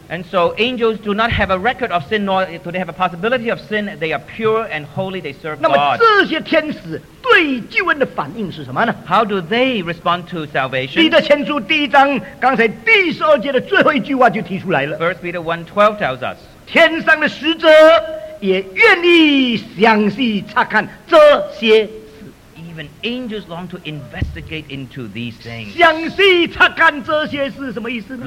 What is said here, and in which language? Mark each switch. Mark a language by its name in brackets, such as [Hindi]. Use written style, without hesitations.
[English] And so angels do not have a record of sin, nor do they have a possibility of sin. They are pure and holy. They serve God. [Chinese] 那么这些天使 对救恩的反应是什么呢？ [English] How do they respond to salvation? [Chinese] 彼得前书第一章刚才第十二节的最后一句话就提出来了。 [English] First Peter 1:12 tells us, [Chinese] 天上的使者也愿意详细查看这些事。 [English] Even angels long to investigate into these things. [Chinese] 详细查看这些事什么意思呢？